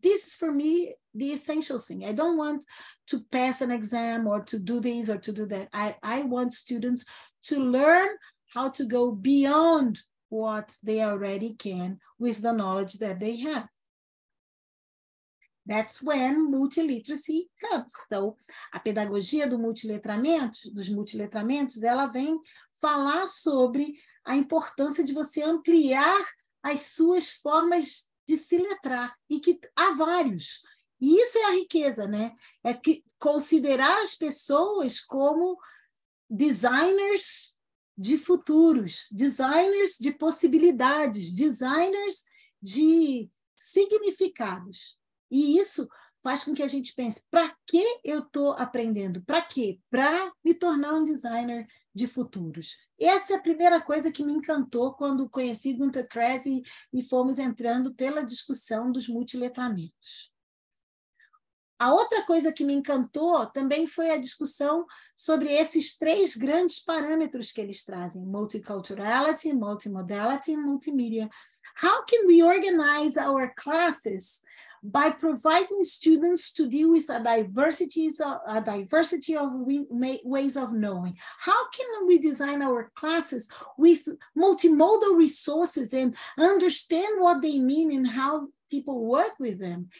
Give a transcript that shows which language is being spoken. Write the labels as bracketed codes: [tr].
[en] This is, for me, the essential thing. I don't want to pass an exam or to do this or to do that. I want students to learn how to go beyond what they already can with the knowledge that they have. That's when multiliteracy comes. [pt] Então, a pedagogia do multiletramento, dos multiletramentos, ela vem falar sobre a importância de você ampliar as suas formas de se letrar, e que há vários. E isso é a riqueza, né? É que considerar as pessoas como designers de futuros, designers de possibilidades, designers de significados. E isso faz com que a gente pense, para que eu estou aprendendo? Para quê? Para me tornar um designer de futuros. Essa é a primeira coisa que me encantou quando conheci Gunter Kresse e fomos entrando pela discussão dos multiletramentos. A outra coisa que me encantou também foi a discussão sobre esses três grandes parâmetros que eles trazem: multiculturality, multimodality e multimedia. [en] How can we organize our classes by providing students to deal with a diversity of ways of knowing? How can we design our classes with multimodal resources and understand what they mean and how people work with them?